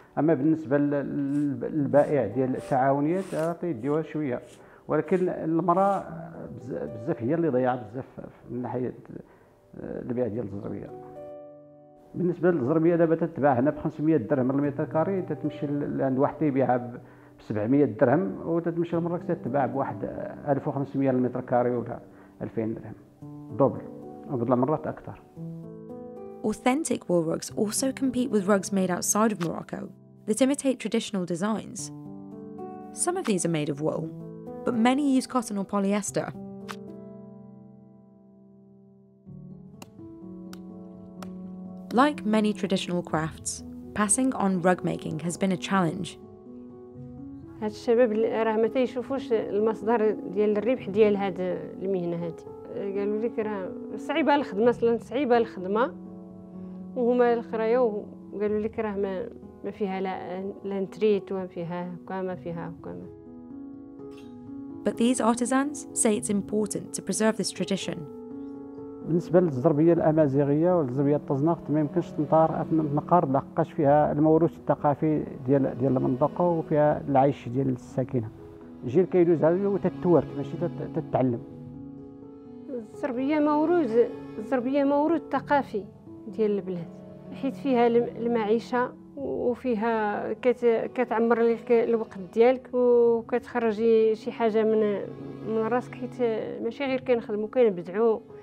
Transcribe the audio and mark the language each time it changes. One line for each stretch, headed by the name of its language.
Arabic: اما بالنسبه للبائع ديال التعاونيات تيديوها شويه ولكن المرأة بزاف هي اللي ضيعت بزاف من ناحية البيع ديال الزربية. بالنسبة للزربية دابا تتباع هنا ب 500 درهم للمتر كاري تتمشي عند واحد تيبيعها ب 700 درهم وتتمشي لمراكش تتباع بواحد 1500 للمتر كاري ولا 2000 درهم دوبل وبضل مرات أكثر.
English: Authentic wool rugs also compete with rugs made outside of Morocco that imitate traditional designs. Some of these are made of wool, but many use cotton or polyester. Like many traditional crafts, passing on rug making has been a challenge.
Arabic: هاد الشباب راه ما تيشوفوش المصدر ديال الربح ديال هاد المهنه هادي قالوا لي راه صعيبه الخدمه اصلا صعيبه الخدمه وهما الاخريا وقالوا لي راه ما فيها لا نتريت وما فيها كما فيها كما.
English: But these artisans say it's important to preserve this tradition.
Arabic: بالنسبة للزربية الأمازيغية والزربية الطزناق ما يمكنش تنقار لحقاش فيها الموروث الثقافي ديال المنطقة وفيها العيش ديال الساكنة. الجيل كيدوز عليه وتتورث ماشي تتعلم. الزربية موروث ثقافي ديال البلاد حيت فيها المعيشة وفيها كتعمر لك الوقت ديالك وكتخرجي شي حاجة من راسك حيت ماشي غير كنخدمو كنبدعو.